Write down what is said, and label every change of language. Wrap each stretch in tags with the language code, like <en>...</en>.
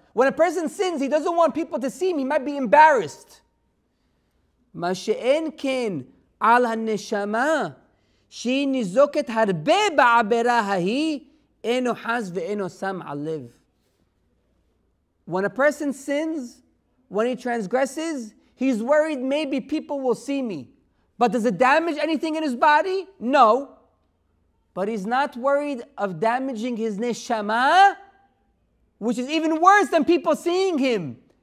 <en>When a person sins, he doesn't want people to see him, he might be embarrassed.</en> <he>מה שאין כן על הנשמה שהיא ניזוקת הרבה בעברה ההיא אינו חס ואינו שם על לב.</he> <en>When a person sins, when he transgresses, he's worried maybe people will see me. But does it damage anything in his body? No. But he's not worried of damaging his neshama, which is even worse than people seeing him.</en>